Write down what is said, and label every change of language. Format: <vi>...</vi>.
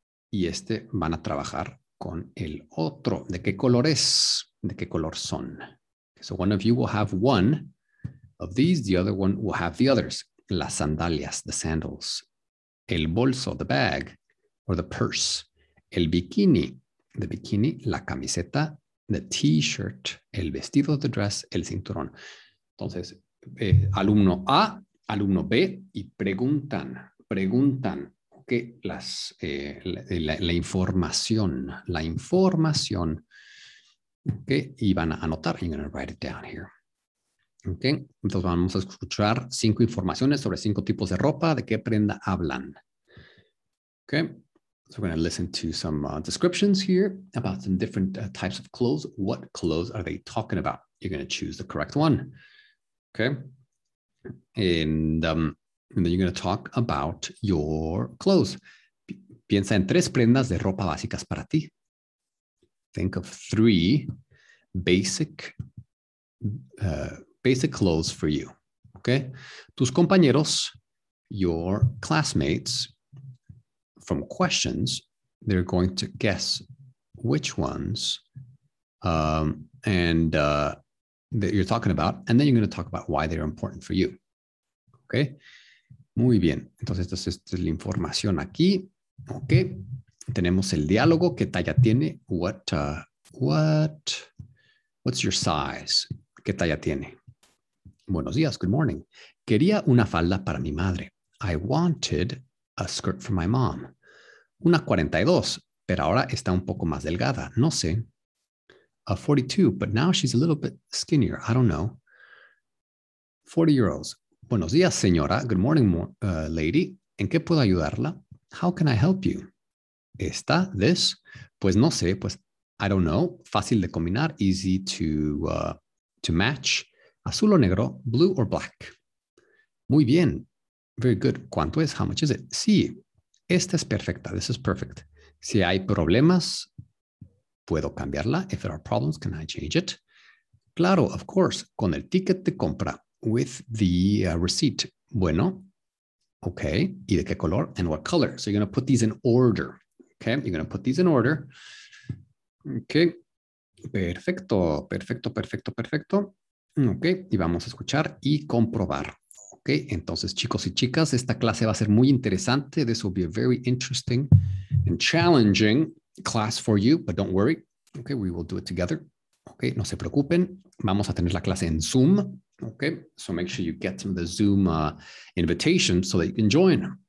<es>Y este van a trabajar con el otro. ¿De qué color es? ¿De qué color son?</es> <en>So one of you will have one of these, the other one will have the others.</en> <es>Las sandalias,</es> <en>the sandals.</en> <es>El bolso,</es> <en>the bag, or the purse.</en> <es>El bikini,</es> <en>the bikini,</en> <es>la camiseta,</es> <en>the t-shirt,</en> <es>el vestido,</es> <en>the dress,</en> <es>el cinturón. Entonces, alumno A, alumno B, y preguntan, ok, la información, ok, y van a anotar,</es> <en>you're going to write it down here,</en> <es>ok, entonces vamos a escuchar cinco informaciones sobre cinco tipos de ropa, de qué prenda hablan,</es> <en>ok, so we're going to listen to some descriptions here about some different types of clothes, what clothes are they talking about, you're going to choose the correct one, ok. And then you're going to talk about your clothes.</en> <es>Piensa en tres prendas de ropa básicas para ti.</es> <en>Think of three basic clothes for you. Okay?</en> <es>Tus compañeros,</es> <en>your classmates, from questions, they're going to guess which ones that you're talking about. And then you're going to talk about why they're important for you.</en> <es>Ok, muy bien. Entonces, esta es la información aquí. Ok, tenemos el diálogo. ¿Qué talla tiene?</es> <en>What's your size?</en> <es>¿Qué talla tiene? Buenos días.</es> <en>Good morning.</en> <es>Quería una falda para mi madre.</es> <en>I wanted a skirt for my mom.</en> <es>Una 42, pero ahora está un poco más delgada. No sé.</es> <en>A 42, but now she's a little bit skinnier. I don't know. 40 euros.</en> <es>Buenos días, señora.</es> <en>Good morning, lady.</en> <es>¿En qué puedo ayudarla?</es> <en>How can I help you?</en> <es>¿Esta?</es> <en>¿This?</en> <es>Pues no sé.</es> <en>Pues, I don't know.</en> <es>Fácil de combinar.</es> <en>Easy to match.</en> <es>¿Azul o negro?</es> <en>¿Blue or black?</en> <es>Muy bien.</es> <en>Very good.</en> <es>¿Cuánto es?</es> <en>How much is it?</en> <es>Sí. Esta es perfecta.</es> <en>This is perfect.</en> <es>Si hay problemas, puedo cambiarla.</es> <en>If there are problems, can I change it?</en> <es>Claro,</es> <en>of course,</en> <es>con el ticket de compra,</es> <en>with the receipt.</en> <es>Bueno, okay, ¿y de qué color?</es> <en>And what color? So you're going to put these in order, okay? You're going to put these in order. Okay, perfecto, perfecto, perfecto, perfecto.</en> <es>Okay, y vamos a escuchar y comprobar. Okay, entonces, chicos y chicas, esta clase va a ser muy interesante.</es> <en>This will be a very interesting and challenging class for you, but don't worry.</en> <es>Okay,</es> <en>we will do it together.</en> <es>Okay, no se preocupen. Vamos a tener la clase en Zoom.</es> <en>Okay, so make sure you get the Zoom invitation so that you can join.</en>